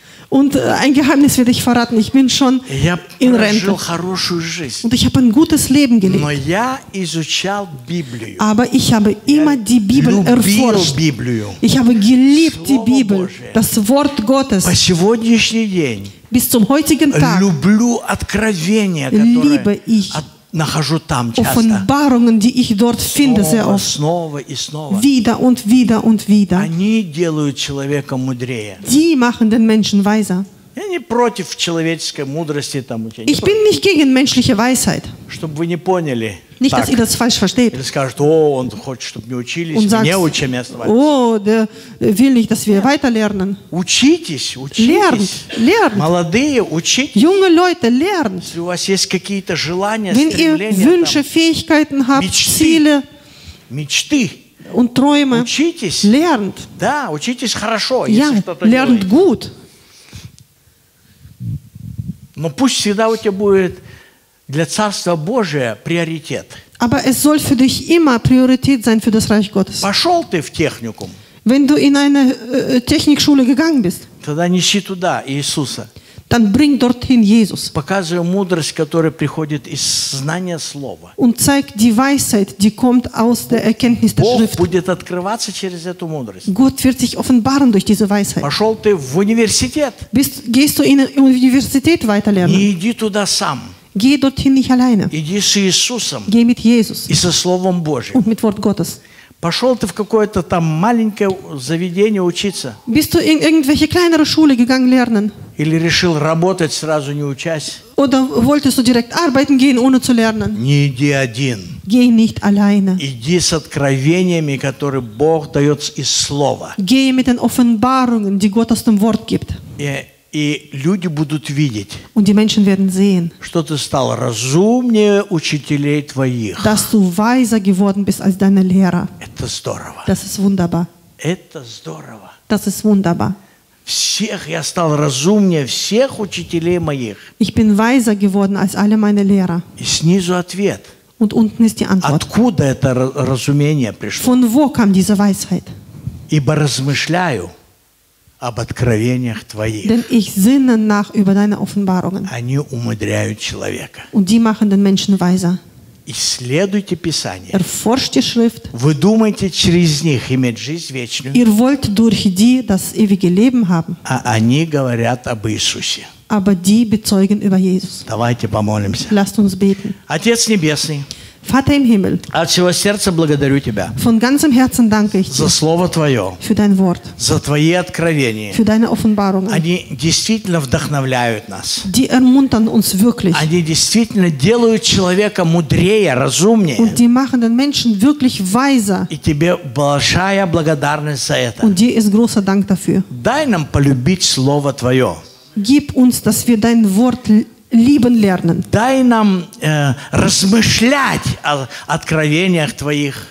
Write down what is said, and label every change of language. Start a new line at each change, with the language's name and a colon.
German: Und ein Geheimnis werde ich verraten. Ich bin schon
Russian: я
German: in Rente.
Russian: Хорошую жизнь.
German: Und ich habe ein gutes Leben gelebt.
Russian: Но я изучал Библию.
German: Aber ich habe immer
Russian: я
German: die Bibel erforscht.
Russian: Библию.
German: Ich habe geliebt
Russian: Слово
German: die Bibel.
Russian: Божие.
German: Das Wort Gottes.
Russian: По сегодняшний день.
German: Bis zum heutigen Tag.
Russian: Люблю откровения, которые нахожу там часто.
German: Offenbarungen, die ich dort
Russian: снова,
German: finde sehr oft.
Russian: Снова и снова.
German: Wieder und wieder und wieder.
Russian: Они делают человека мудрее.
German: Die machen den Menschen weiser.
Russian: Я не против человеческой мудрости там.
German: Ich bin
Russian: против.
German: Nicht gegen menschliche Weisheit.
Russian: Чтобы вы не поняли.
German: Nicht,
Russian: так.
German: Dass ihr das falsch versteht.
Russian: Или скажут, о, он хочет, чтобы мы учились,
German: und
Russian: мне учим, я оставаюсь. О, да,
German: will nicht, dass wir weiter lernen.
Russian: Учитесь, учитесь.
German: Lernt, lernt.
Russian: Молодые, учитесь.
German: Junge Leute, lernt.
Russian: Если у вас есть какие-то желания,
German: Wenn
Russian: стремления,
German: ihr Wünsche, Fähigkeiten habt,
Russian: мечты,
German: Ziele.
Russian: Мечты.
German: Und Träume.
Russian: Учитесь.
German: Lernt.
Russian: Да, учитесь хорошо,
German: ja,
Russian: если что-то делаете.
German: Lernt gut.
Russian: Но пусть всегда у тебя будет... Для Царства Божия приоритет.
German: Aber es soll für dich immer Priorität sein für das Reich Gottes.
Russian: Пошел ты в техникум.
German: Wenn du in eine Technikschule gegangen bist.
Russian: Тогда неси туда Иисуса.
German: Dann bring dorthin Jesus.
Russian: Показывай мудрость, которая приходит из знания Слова.
German: Und zeig die Weisheit, die kommt aus der Erkenntnis der Schrift.
Russian: Бог будет открываться через эту мудрость.
German: Gott wird sich offenbaren durch diese Weisheit.
Russian: Пошел ты в университет.
German: Gehst du in eine Universität weiterlernen.
Russian: И иди туда сам.
German: Geh dorthin nicht alleine.
Russian: Иди с Иисусом.
German: Geh mit Jesus.
Russian: И со Словом Божьим.
German: Und mit Wort Gottes.
Russian: Пошел ты в какое-то там маленькое заведение учиться.
German: Bist du in irgendwelche kleinere Schule gegangen lernen?
Russian: Или решил работать сразу не учась?
German: Oder wolltest du direkt arbeiten gehen ohne zu lernen?
Russian: Не иди один.
German: Geh nicht alleine.
Russian: Иди с откровениями, которые Бог дает из Слова.
German: Geh mit den Offenbarungen, die Gott aus dem Wort gibt.
Russian: И люди будут видеть,
German: Und die Menschen werden sehen,
Russian: что ты стал разумнее учителей твоих.
German: Dass du weiser geworden bist als deine Lehrer.
Russian: Это здорово.
German: Das ist wunderbar.
Russian: Это здорово.
German: Das ist wunderbar.
Russian: Всех я стал разумнее всех учителей моих.
German: Ich bin weiser geworden als alle meine Lehrer.
Russian: И снизу ответ.
German: Und unten ist die Antwort.
Russian: Откуда это разумение пришло?
German: Von wo kam diese Weisheit?
Russian: Ибо размышляю. Об откровениях твоих.
German: Denn ich sinne nach über deine Offenbarungen.
Russian: Они умудряют человека.
German: Und die machen den Menschen weiser.
Russian: Исследуйте Писание.
German: Erforscht die Schrift.
Russian: Вы думаете через них иметь жизнь вечную?
German: Ihr wollt durch die das ewige Leben haben.
Russian: А они говорят об Иисусе.
German: Aber die bezeugen über Jesus.
Russian: Давайте помолимся.
German: Lasst uns beten.
Russian: Отец небесный.
German: Vater im Himmel,
Russian: От всего сердца благодарю тебя.
German: Von ganzem Herzen danke ich dir.
Russian: За слово твое.
German: Für dein Wort.
Russian: За твои откровения.
German: Für deine Offenbarungen.
Russian: Они действительно вдохновляют нас.
German: Die ermuntern uns wirklich.
Russian: Они действительно делают человека мудрее, разумнее.
German: Und die machen den Menschen wirklich weiser.
Russian: И тебе большая благодарность за это.
German: Und dir ist großer Dank dafür.
Russian: Дай нам полюбить слово твое.
German: Gib uns, dass wir dein Wort lieben lernen.
Russian: Дай нам размышлять о откровениях твоих.